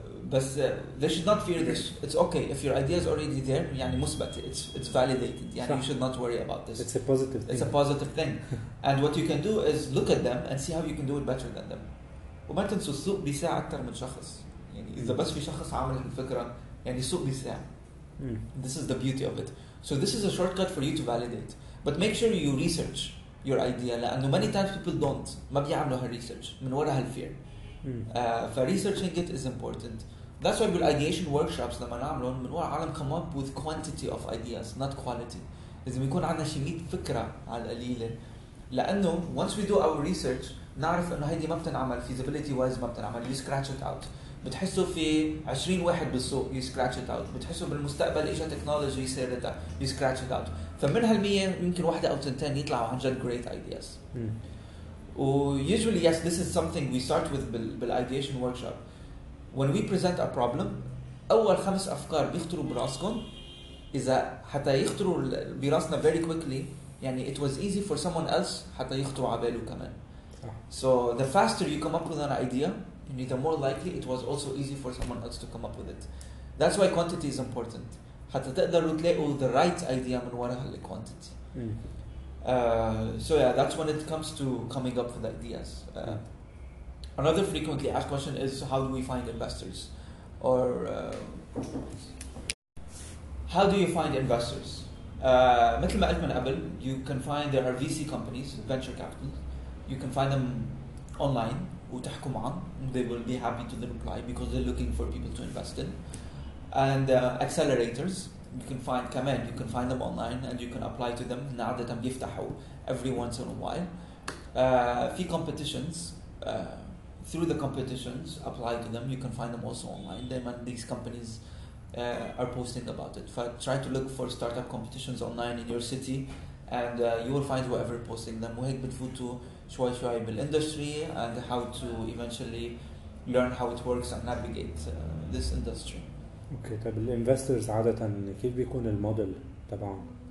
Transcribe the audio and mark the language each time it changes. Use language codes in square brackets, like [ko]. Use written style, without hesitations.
[en] بس they should not fear this. It's okay if your idea is already there. [ar] يعني مثبت. [en] It's validated. يعني you should not worry about this. It's a positive thing. It's a positive thing. And what you can do is look at them and see how you can do it better than them. [ar] وما تنسوا السوق بيساع أكثر من شخص. يعني إذا بس في شخص عامل الفكرة يعني السوق بيساع. [en] This is the beauty of it. So this is a shortcut for you to validate. But make sure you research your idea. لأنه many times people don't. [ar] ما بيعملوا هالresearch من وراء هالfear. [en] فresearching it is important. That's why with ideation workshops [ar] لما نعملهم من وراء عالم [en] come up with quantity of ideas, not quality. [ar] لازم يكون عندنا شي 100 فكرة على القليلة. لأنه once we do our research نعرف أنه هيدي ما بتنعمل [en] feasibility wise, [ar] ما بتنعمل. [en] You scratch it out. [ar] بتحسوا في 20 واحد بالسوق, [en] you scratch it out. [ar] بتحسوا بالمستقبل إجا technology يصير لتا, you scratch it out. فمن هالمية يمكن واحدة أو تنتين يطلعوا عن جد great ideas. [en] Usually, yes, this is something we start with بالideation workshop. When we present a problem, [ar] أول خمس أفكار بيخطروا براسكم, إذا حتى يخطروا براسنا [en] very quickly, [ar] يعني [en] it was easy for someone else [ar] حتى يخطروا عباله كمان. [en] So the faster you come up with an idea, and the more likely it was also easy for someone else to come up with it. That's why quantity is important. [ar] حتى تقدروا تلاقوا [en] the right idea [ar] من وراء هالquantity. [en] So yeah, that's when it comes to coming up with ideas. Another frequently asked question is, how do we find investors? Or how do you find investors? [ar] مثل ما قلت من قبل, [en] you can find, there are VC companies, venture capital. You can find them online. [ar] وتحكوا معهم, [en] they will be happy to reply because they're looking for people to invest in. And accelerators, you can find كمان, you can find them online and you can apply to them. [ar] عادة بيفتحوا [en] every once in a while. في competitions, through the competitions apply to them. You can find them also online. Then when these companies are posting about it, but try to look for startup competitions online in your city and you will find whoever posting them. [ar] وهيك بتفوت شوي شوي [en] بالindustry and how to eventually learn how it works and navigate this industry. [ar] Okay, طيب الinvestors عادة كيف بيكون الموديل تبعهم؟